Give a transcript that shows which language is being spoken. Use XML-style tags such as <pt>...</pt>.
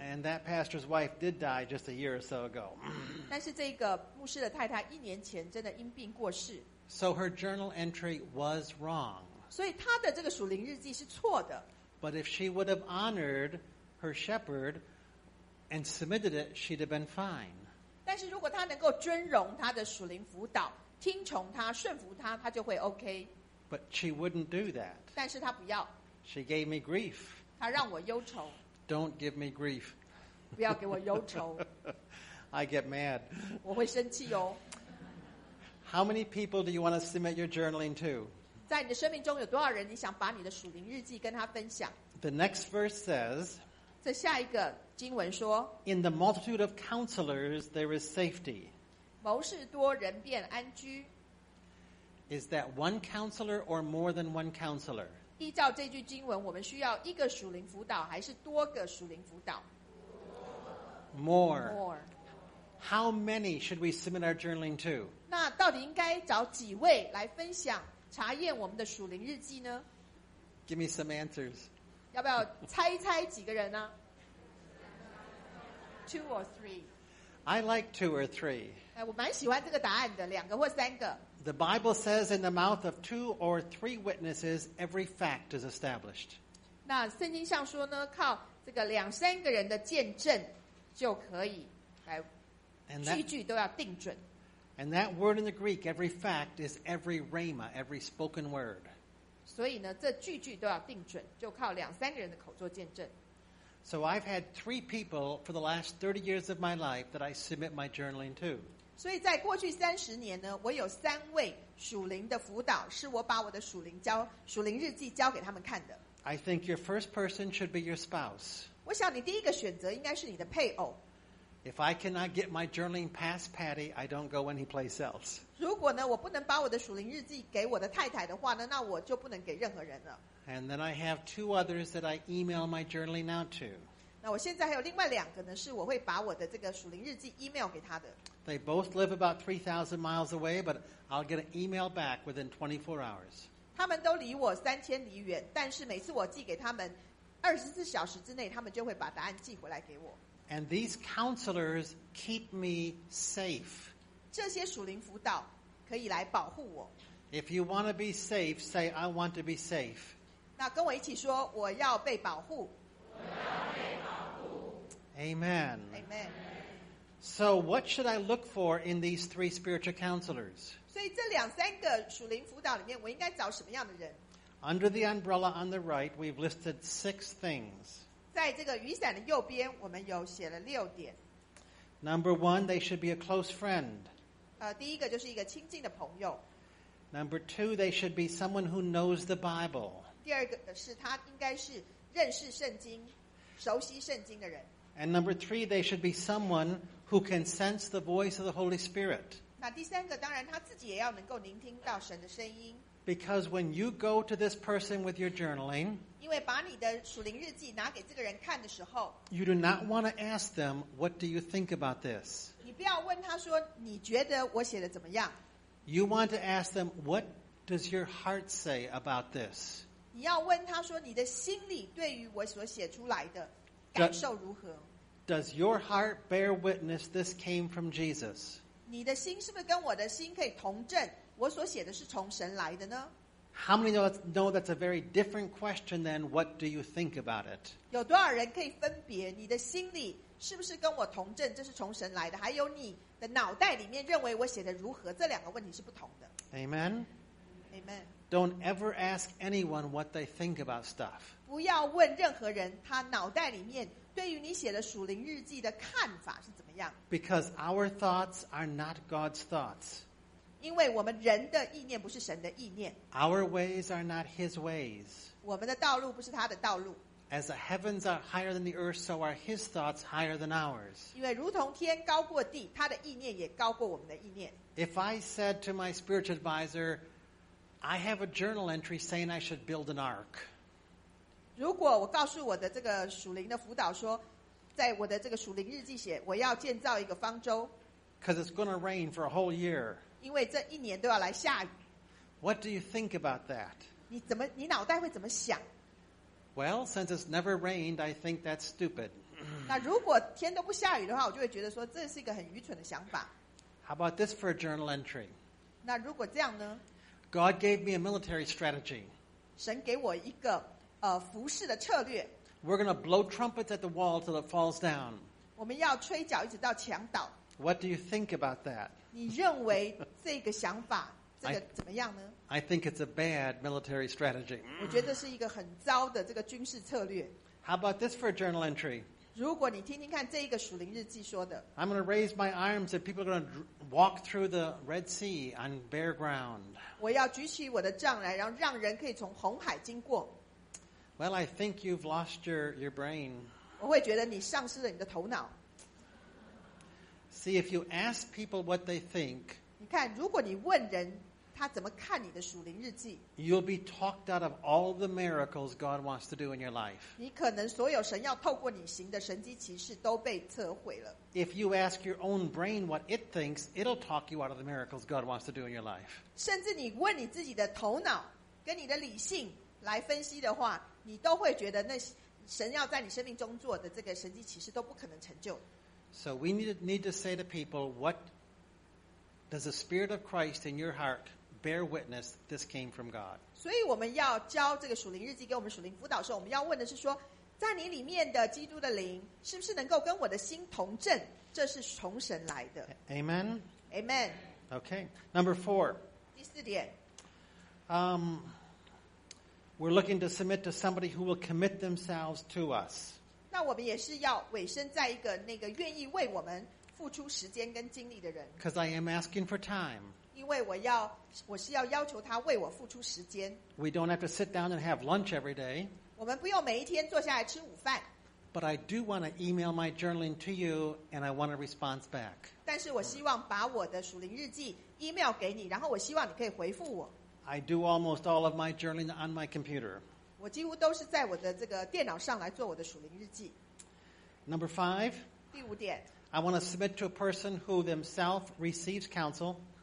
<en>And that pastor's wife did die just a year or so ago.</en> <zh>但是这个牧师的太太一年前真的因病过世。</zh> <en>So her journal entry was wrong.</en> <zh>所以她的这个属灵日记是错的。</zh> <en>But if she would have honored her shepherd and submitted it, she'd have been fine.</en> <zh>但是如果他能够尊荣他的属灵辅导，听从他，顺服他，他就会 OK。</zh> <en>But she wouldn't do that.</en> <zh>但是他不要。</zh> <en>She gave me grief.</en> <zh>他让我忧愁。</zh> <en>Don't give me grief.</en> <zh>不要给我忧愁。</zh> <en>I get mad.</en> <zh>我会生气哦。</zh> <en>How many people do you want to submit your journaling to?</en> <zh>在你的生命中有多少人你想把你的属灵日记跟他分享？</zh> <en>The next verse says.</en> <zh>这下一个经文说</zh> <en>In the multitude of counselors, there is safety.</en> <zh>谋士多人便安居</zh> <en>Is that one counselor or more than one counselor?</en> <zh>依照这句经文我们需要一个属灵辅导还是多个属灵辅导</zh> <en>More. More. How many should we submit our journaling to?</en> <zh>那到底应该找几位来分享查验我们的属灵日记呢 Give me some answers. 要不要猜一猜几个人呢 ？</zh> <en>Two or three. I like two or three.</en> <zh>哎，我蛮喜欢这个答案的，两个或三个。</zh> <en>The Bible says, in the mouth of two or three witnesses, every fact is established.</en> <zh>那圣经上说呢，靠这个两三个人的见证就可以来句句都要定准。</zh> <en>And that word in the Greek, every fact, is every rhema, every spoken word.</en> <zh>所以呢，这句句都要定准，就靠两三个人的口做见证。</zh> <en>So I've had three people for the last 30 years of my life that I submit my journaling to.</en> <zh>所以在过去三十年呢，我有三位属灵的辅导，是我把我的属灵日记交给他们看的。</zh> <en>I think your first person should be your spouse.</en> <zh>我想你第一个选择应该是你的配偶。</zh> <en>If I cannot get my journaling past Patty, I don't go any place else.</en> <zh>如果呢，我不能把我的属灵日记给我的太太的话呢，那我就不能给任何人了。</zh> <en>And then I have two others that I email my journaling out to.</en> <zh>那我现在还有另外两个呢，是我会把我的这个属灵日记 email 给他的。</zh> <en>They both live about 3,000 miles away, but I'll get an email back within 24 hours.</en> <zh>他们都离我3000里远，但是每次我寄给他们，24小时之内，他们就会把答案寄回来给我。</zh> <en>And these counselors keep me safe.</en> <zh>这些属灵辅导可以来保护我。</zh> <en>If you want to be safe, say, I want to be safe.</en> <zh>那跟我一起说，我要被保护。我要被保护。</zh> <en>Amen. Amen. So So what should I look for in these three spiritual counselors?</en> <zh>所以这两三个属灵辅导里面，我应该找什么样的人？</zh> <en>Under the umbrella on the right, we've listed six things.</en> <zh>在这个雨伞的右边，我们有写了六点。</zh> <en>Number one, they should be a close friend.</en> <zh>第一个就是一个亲近的朋友。</zh> <en>Number two, they should be someone who knows the Bible.</en> <zh>第二个是他应该是认识圣经、熟悉圣经的人。</zh> <en>And number three, they should be someone who can sense the voice of the Holy Spirit.</en> <zh>那第三个当然他自己也要能够聆听到神的声音。</zh> <en>Because when you go to this person with your journaling,</en> <zh>因为把你的属灵日记拿给这个人看的时候，</zh> <en>you do not want to ask them, what do you think about this?</en> <zh>你不要问他说你觉得我写的怎么样。</zh> <en>You want to ask them, what does your heart say about this?</en> <zh>你要问他说你的心里对于我所写出来的感受如何。</zh> <en>Does your heart bear witness this came from Jesus?</en> <zh>你的心是不是跟我的心可以同证我所写的是从神来的呢？</zh> <en>How many know that's a very different question than what do you think about it?</en> <zh>有多少人可以分别你的心里是不是跟我同证这是从神来的，还有你的脑袋里面认为我写的如何，这两个问题是不同的。</zh> <en>Amen. Amen. Don't ever ask anyone what they think about stuff.</en> <zh>不要问任何人他脑袋里面对于你写的属灵日记的看法是怎么样。</zh> <en>Because our thoughts are not God's thoughts.</en> <zh>因为我们人的意念不是神的意念。</zh> <en>Our ways are not His ways.</en> <zh>我们的道路不是他的道路。</zh> <en>As the heavens are higher than the earth, so are His thoughts higher than ours.</en> <zh>因为如同天高过地，他的意念也高过我们的意念。</zh> <en>If I said to my spiritual advisor, I have a journal entry saying I should build an ark.</en> <zh>如果我告诉我的这个属灵的辅导说，在我的这个属灵日记写我要建造一个方舟。</zh> <en>Because it's going to rain for a whole year.</en> <zh>因为这一年都要来下雨。</zh> <en>What do you think about that?</en> <zh>你脑袋会怎么想？</zh> <en>Well, since it's never rained, I think that's stupid.</en> <zh>那如果天都不下雨的话，我就会觉得说这是一个很愚蠢的想法。</zh> <en>How about this for a journal entry?</en> <zh>那如果这样呢？</zh> <en>God gave me a military strategy.</en> <zh>神给我一个服饰的策略。</zh> <en>We're going to blow trumpets at the wall till it falls down.</en> <zh>我们要吹角一直到墙倒。</zh> <en>What do you think about that?</en> <zh>你认为这个想法这个怎么样呢？</zh> <en>I think it's a bad military strategy.</en> <zh>我觉得是一个很糟的这个军事策略。</zh> <en>How about this for a journal entry?</en> <zh>如果你听听看这一个属灵日记说的。</zh> <en>I'm going to raise my arms and people are going to walk through the Red Sea on bare ground.</en> <zh>我要举起我的杖来，然后让人可以从红海经过。</zh> <en>Well, I think you've lost your brain.</en> <zh>我会觉得你丧失了你的头脑。</zh> <en>See, if you ask people what they think,</en> <zh>你看，如果你问人他怎么看你的属灵日记，</zh> <en>you'll be talked out of all the miracles God wants to do in your life.</en> <zh>你可能所有神要透过你行的神迹奇事都被撤回了。</zh> <en>If you ask your own brain what it thinks, it'll talk you out of the miracles God wants to do in your life.</en> <zh>甚至你问你自己的头脑跟你的理性来分析的话，你都会觉得那神要在你生命中做的这个神迹奇事都不可能成就。</zh> <en>So we need to say to people, what does the Spirit of Christ in your heart bear witness this came from God?</en> <zh>所以我们要教这个属灵日记给我们属灵辅导的时候，我们要问的是说，在你里面的基督的灵是不是能够跟我的心同证，这是从神来的。</zh> <en>Amen. Amen. Okay. Number four.</en> <zh>第四点。</zh> <en>We're looking to submit to somebody who will commit themselves to us.</en> <zh>那我们也是要委身在一个那个愿意为我们付出时间跟精力的人。</zh> <en>Because I am asking for time.</en> <zh>因为我是要要求他为我付出时间。</zh> <en>We don't have to sit down and have lunch every day.</en> <zh>我们不用每一天坐下来吃午饭。</zh> <en>But I do want to email my journaling to you, and I want a response back.</en> <zh>但是我希望把我的属灵日记 email 给你，然后我希望你可以回复我。</zh> <en>I do almost all of my journaling on my computer.</en> <zh>我几乎都是在我的这个电脑上来做我的属灵日记。</zh> <en>Number five.</en> <zh>第五点。</zh> <en>I want to submit to a person who themselves receives counsel.</en>